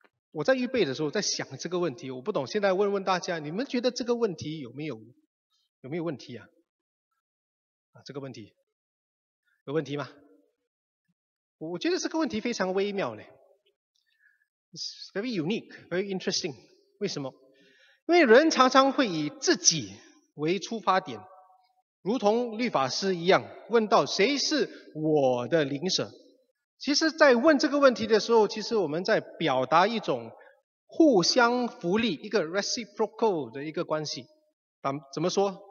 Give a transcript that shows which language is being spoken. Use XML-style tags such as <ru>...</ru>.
<zh>我在预备的时候在想这个问题，我不懂，现在问问大家，你们觉得这个问题有没有问题啊？啊，这个问题有问题吗？我觉得这个问题非常微妙呢。</zh> <en>It's very unique, very interesting.</en> <zh>为什么？因为人常常会以自己为出发点，如同律法师一样，问到谁是我的邻舍。其实在问这个问题的时候，其实我们在表达一种互相福利，一个 reciprocal 的一个关系。怎么说？</zh>